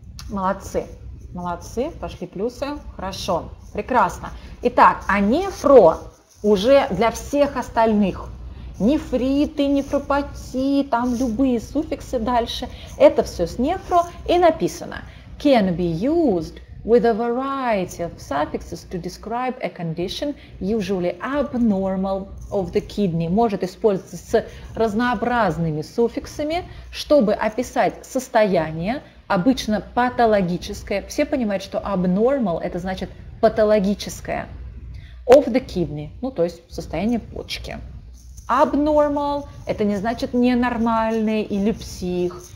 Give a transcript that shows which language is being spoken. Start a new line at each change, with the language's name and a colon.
Russian: Молодцы, молодцы, пошли плюсы, хорошо, прекрасно. Итак, а нефро уже для всех остальных, нефриты, нефропати, там любые суффиксы дальше, это все с нефро и написано.
English: Can be used with a variety of suffixes to describe a condition, usually abnormal of the kidney.
Russian: Может использоваться с разнообразными суффиксами, чтобы описать состояние, обычно патологическое. Все понимают, что abnormal – это значит патологическое.
English: Of the kidney
Russian: – ну, то есть состояние почки. Abnormal – это не значит ненормальный или псих.